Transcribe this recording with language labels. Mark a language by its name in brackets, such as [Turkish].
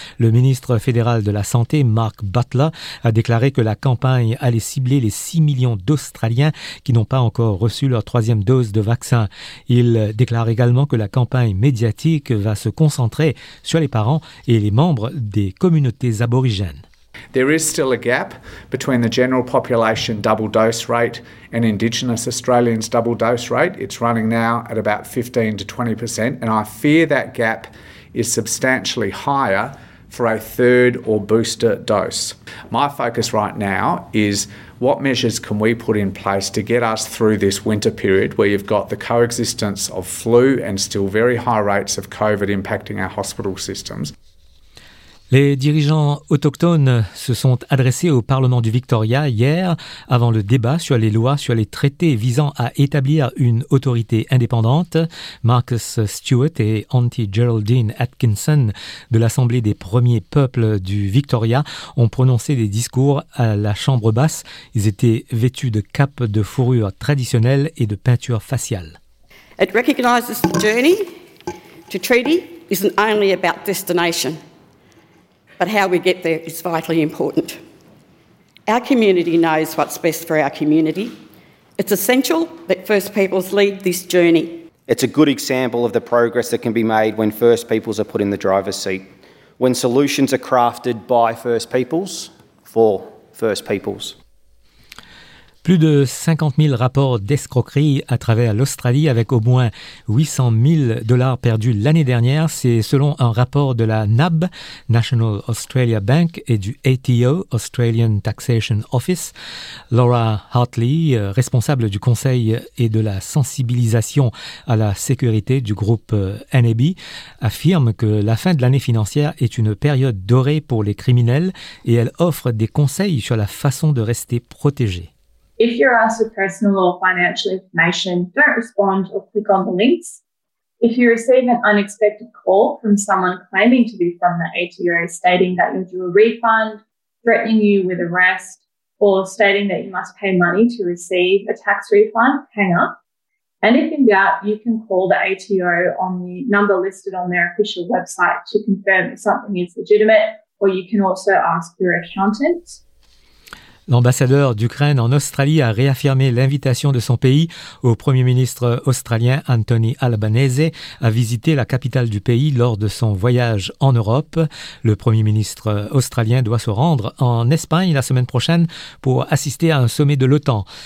[French] Le ministre fédéral de la Santé, Mark Butler, a déclaré que la campagne allait cibler les 6 millions d'Australiens qui n'ont pas encore reçu leur troisième dose de vaccin. Il déclare également que la campagne médiatique va se concentrer sur les parents et les membres des communautés aborigènes. [English] There is still a gap between the general population double dose rate and Indigenous Australians double dose rate. It's running now at about 15-20%, and I fear that gap is substantially higher for a third or booster dose. My focus right now is what measures can we put in place to get us through this winter period where you've got the coexistence of flu and still very high rates of COVID impacting our hospital systems. [French] Les dirigeants autochtones se sont adressés au Parlement du Victoria hier avant le débat sur les lois sur les traités visant à établir une autorité indépendante. Marcus Stewart et Auntie Geraldine Atkinson de l'Assemblée des premiers peuples du Victoria ont prononcé des discours à la Chambre basse. Ils étaient vêtus de capes de fourrure traditionnelles et de peintures faciales. [English] It recognizes the journey to treaty isn't only about destination. But how we get there is vitally important. Our community knows what's best for our community. It's essential that First Peoples lead this journey. It's a good example of the progress that can be made when First Peoples are put in the driver's seat. When solutions are crafted by First Peoples, for First Peoples. [French] Plus de 50 000 rapports d'escroquerie à travers l'Australie, avec au moins 800 000 dollars perdus l'année dernière. C'est selon un rapport de la NAB, National Australia Bank, et du ATO, Australian Taxation Office. Laura Hartley, responsable du conseil et de la sensibilisation à la sécurité du groupe NAB, affirme que la fin de l'année financière est une période dorée pour les criminels et elle offre des conseils sur la façon de rester protégé. [English] If you're asked for personal or financial information, don't respond or click on the links. If you receive an unexpected call from someone claiming to be from the ATO stating that you're due a refund, threatening you with arrest, or stating that you must pay money to receive a tax refund, hang up. And if in doubt, you can call the ATO on the number listed on their official website to confirm that something is legitimate, or you can also ask your accountant. [French] L'ambassadeur d'Ukraine en Australie a réaffirmé l'invitation de son pays au Premier ministre australien Anthony Albanese à visiter la capitale du pays lors de son voyage en Europe. Le Premier ministre australien doit se rendre en Espagne la semaine prochaine pour assister à un sommet de l'OTAN.